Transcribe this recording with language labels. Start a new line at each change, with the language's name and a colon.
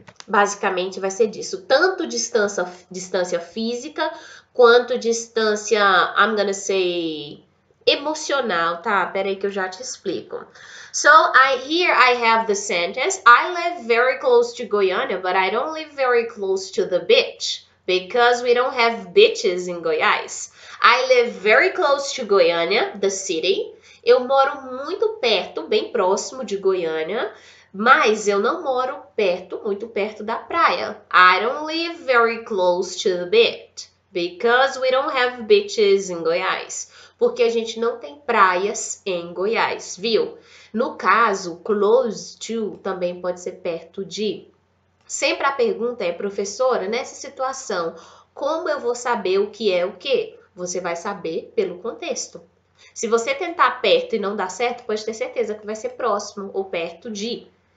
Portuguese: Basicamente vai ser disso, tanto distância física quanto distância,
English: I'm gonna say,
Portuguese: emocional, tá? Peraí que eu já te explico.
English: So, here I have the sentence. I live very close to Goiânia, but I don't live very close to the beach, because we don't have beaches in Goiás. I live very close to Goiânia, the city.
Portuguese: Eu moro muito perto, bem próximo de Goiânia, mas eu não moro perto, muito perto da praia.
English: I don't live very close to the beach, because we don't have beaches in Goiás.
Portuguese: Porque a gente não tem praias em Goiás, viu? No caso, close to também pode ser perto de. Sempre a pergunta é, professora, nessa situação, como eu vou saber o que é o quê? Você vai saber pelo contexto. Se você tentar perto e não dá certo, pode ter certeza que vai ser próximo ou perto de.